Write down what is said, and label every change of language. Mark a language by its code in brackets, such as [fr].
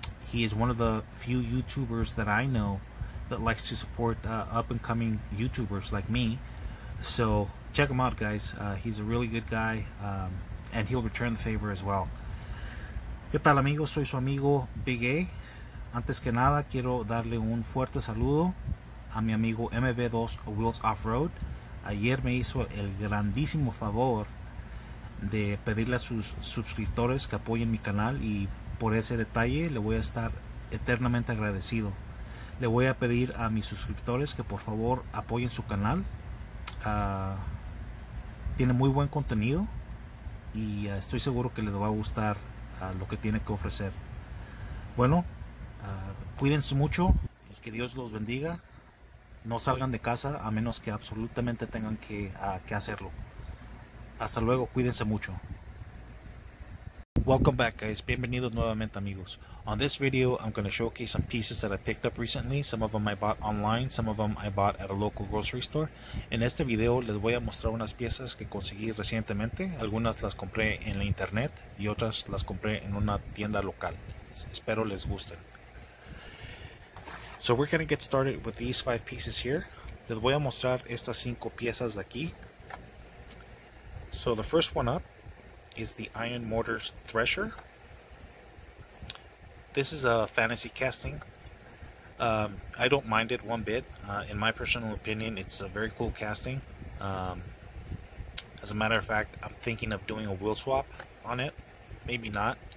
[en] He is one of the few YouTubers that I know that likes to support up-and-coming YouTubers like me. So check him out, guys. He's a really good guy, and he'll return the favor as well. [es] ¿Qué tal, amigos? Soy su amigo Big A. Antes que nada, quiero darle un fuerte saludo a mi amigo MV2 Wheels Off-Road. Ayer me hizo el grandísimo favor de pedirle a sus suscriptores que apoyen mi canal, y por ese detalle le voy a estar eternamente agradecido. Le voy a pedir a mis suscriptores que por favor apoyen su canal. Tiene muy buen contenido y estoy seguro que les va a gustar lo que tiene que ofrecer. Bueno, cuídense mucho y que Dios los bendiga. No salgan de casa a menos que absolutamente tengan que hacerlo. Hasta luego, cuídense mucho. [en] Welcome back, guys. [es] Bienvenidos nuevamente, amigos. [en] On this video, I'm going to showcase some pieces that I picked up recently. Some of them I bought online, some of them I bought at a local grocery store. [es] En este video les voy a mostrar unas piezas que conseguí recientemente. Algunas las compré en la internet y otras las compré en una tienda local. Espero les gusten. [en] So we're going to get started with these five pieces here. [es] Les voy a mostrar estas cinco piezas de aquí. [en] So the first one up is the Iron Mortars Thresher. This is a fantasy casting. I don't mind it one bit. In my personal opinion, it's a very cool casting. As a matter of fact, I'm thinking of doing a wheel swap on it. Maybe not.